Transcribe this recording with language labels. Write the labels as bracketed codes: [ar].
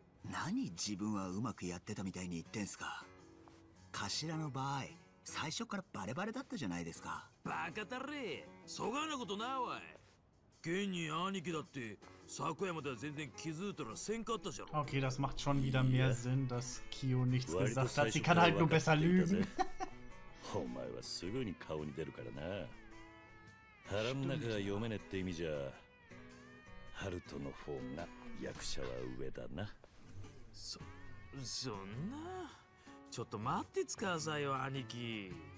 [ja] 何、自分はうまくやってたみたいに言ってんすか。頭の場合、最初からバレバレだったじゃないですか。バカたれ、そがんなことな。わい、現に兄貴だって昨夜までは全然気づいたらせんかったじゃろ。 [de] OK, das macht schon wieder mehr Sinn, dass Kiyo nichts gesagt hat. Sie kann halt nur besser lügen. [ja] お前はすぐに顔に出るからな。腹の中が読めねって意味じゃ、ハルトの方が役者は上だな。そんな、ちょっと待ってつかあさいよ、兄貴。